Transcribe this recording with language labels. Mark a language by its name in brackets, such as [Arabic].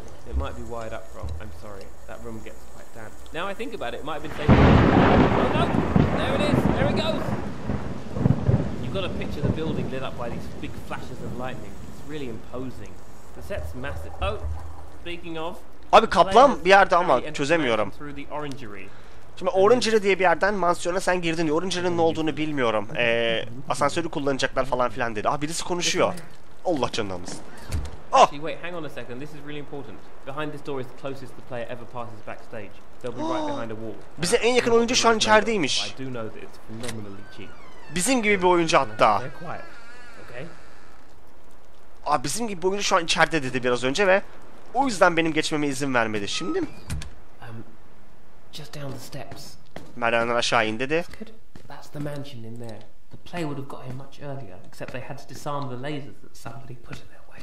[English] It might be wired up wrong. I'm sorry. That room gets damn. Now I think about it, it might have been safe. Oh no! There it is! There it goes! You've got a picture of the building lit up by these big flashes of lightning. It's really imposing. The set's massive. Oh! Speaking of... [Turkish] Abi kaplan bir yerde ama çözemiyorum. Şimdi Orangery diye bir yerden mansiyona sen girdin. Orangery'nin ne olduğunu bilmiyorum. Asansörü kullanacaklar falan filan dedi. Ah birisi konuşuyor. Allah canlarımız. [English] Actually, wait, hang on a second. This is really important. Behind this door is the closest the player ever passes backstage. They'll be right behind a wall. [Turkish] Bize en yakın oyuncu şu an içerideymiş. [English] I do know that it's phenomenally cheap. [Turkish] Bizim gibi bir oyuncu hatta. [English] They're quiet. Okay. [Turkish] Abi bizim gibi bir oyuncu şu an içeride dedi biraz önce ve o yüzden benim geçmeme izin vermedi. Şimdi mi? [English] Just down the steps. [Turkish] Merdivenden aşağı in dedi. [English] That's the mansion in there. The player would have got here much earlier, except they had to disarm the lasers that somebody put in there.